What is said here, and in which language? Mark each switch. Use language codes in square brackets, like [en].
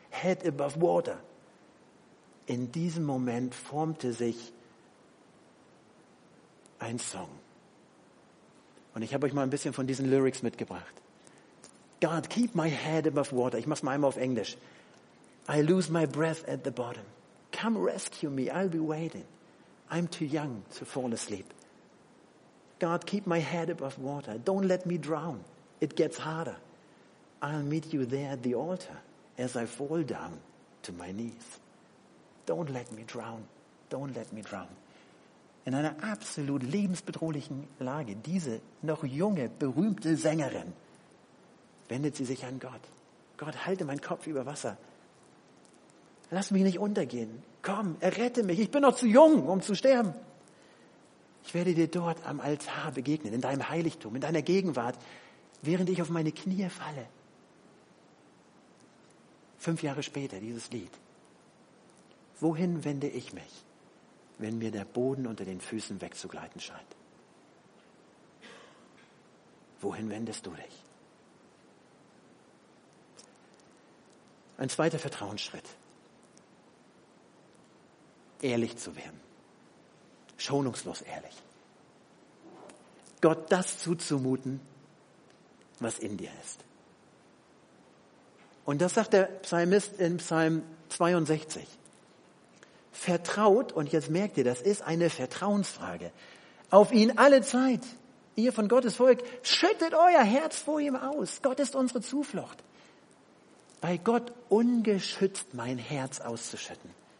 [en] Head above water. [de] In diesem Moment formte sich ein Song. Und ich habe euch mal ein bisschen von diesen Lyrics mitgebracht. [en] God, keep my head above water. [de] Ich mache es mal einmal auf Englisch. [en] I lose my breath at the bottom. Come rescue me, I'll be waiting. I'm too young to fall asleep. God, keep my head above water. Don't let me drown. It gets harder. I'll meet you there at the altar as I fall down to my knees. Don't let me drown. Don't let me drown. [de] In einer absolut lebensbedrohlichen Lage, diese noch junge, berühmte Sängerin, wendet sie sich an Gott. Gott, halte meinen Kopf über Wasser. Lass mich nicht untergehen. Komm, errette mich. Ich bin noch zu jung, um zu sterben. Ich werde dir dort am Altar begegnen, in deinem Heiligtum, in deiner Gegenwart, während ich auf meine Knie falle. 5 Jahre später, dieses Lied. Wohin wende ich mich, wenn mir der Boden unter den Füßen wegzugleiten scheint? Wohin wendest du dich? Ein zweiter Vertrauensschritt. Ehrlich zu werden. Schonungslos ehrlich. Gott das zuzumuten, was in dir ist. Und das sagt der Psalmist in Psalm 62. Vertraut, und jetzt merkt ihr, das ist eine Vertrauensfrage, auf ihn alle Zeit. Ihr von Gottes Volk, schüttet euer Herz vor ihm aus. Gott ist unsere Zuflucht. Bei Gott ungeschützt mein Herz auszuschütten.